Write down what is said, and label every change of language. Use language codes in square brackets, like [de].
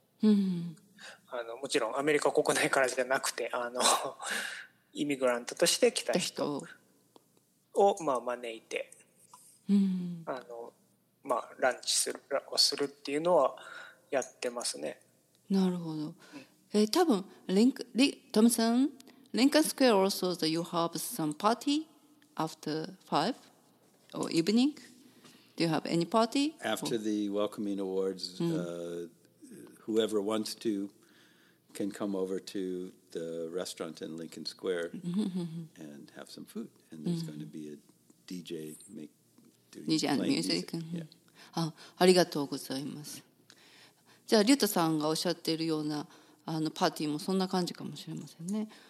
[ja] うん、もちろんアメリカ国内からじゃなくてイミグラントとして来た人を、まあ、招いて、うん、まあ、ランチをするっていうのはやってますね。なるほど。多分 [en] トムさん、リンカンスクエア also that you have some party after 5 or evening? Do you have any party? After the welcoming awards,、mm. Whoever wants to can come over to the restaurant in Lincoln Square and have some food. And there's、mm. going to be a DJ doing DJ and music. Yeah. [ja] ありがとうございます。じゃあ、リュータさんがおっしゃっているようなパーティーもそんな感じかもしれませんね。